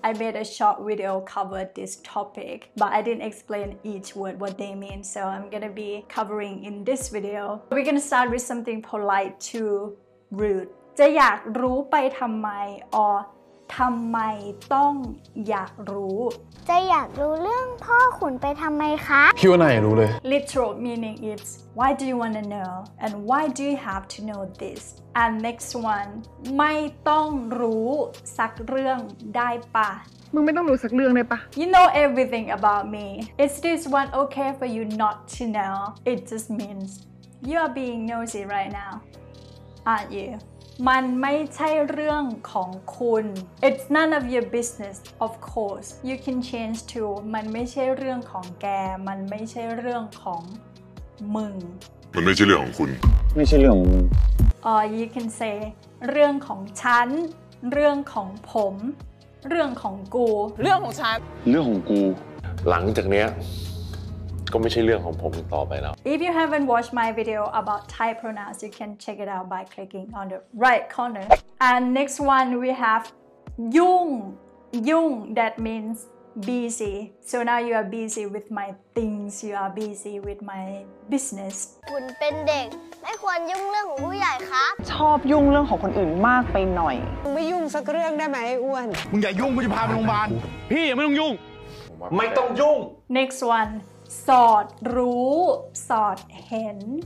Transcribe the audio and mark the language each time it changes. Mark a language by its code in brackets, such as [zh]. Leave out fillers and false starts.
[en] I made a short video covered this topic, but I didn't explain each word what they mean, so I'm gonna be covering in this video. We're gonna start with something polite to rude. [th] จะอยากรู้ไปทำไม or ทำไมต้องอยากรู้ จะอยากรู้เรื่องพ่อขุนไปทำไมคะ พี่ว่าน่าอยากรู้เลย [en] Literal meaning is why do you want to know and why do you have to know this and next one [th] ไม่ต้องรู้สักเรื่องได้ปะ มึงไม่ต้องรู้สักเรื่องได้ปะ [en] You know everything about me is this one okay for you not to know it just means you are being nosy right now aren't you? [th] มันไม่ใช่เรื่องของคุณ [en] It's none of your business, of course. You can change to [th] มันไม่ใช่เรื่องของแกมันไม่ใช่เรื่องของมึง มันไม่ใช่เรื่องของคุณ ไม่ใช่เรื่อง [en] you can say [th] เรื่องของฉันเรื่องของผมเรื่องของกู เรื่องของฉัน เรื่องของกู หลังจากเนี้ยก็ไม่ใช่เรื่องของผมต่อไปแล้ว [en] If you haven't watched my video about Thai pronouns you can check it out by clicking on the right corner and next one we have ยุ่ง that means busy so now you are busy with my things you are busy with my business [th] คุณเป็นเด็กไม่ควรยุ่งเรื่องของผู้ใหญ่ครับ ชอบยุ่งเรื่องของคนอื่นมากไปหน่อย ไม่ยุ่งสักเรื่องได้ไหมอ้วน มึงอย่ายุ่งกูจะพาไปโรงพยาบาล พี่อย่าไม่ต้องยุ่ง ไม่ต้องยุ่ง [en] next one [th] สอดรู้สอดเห็น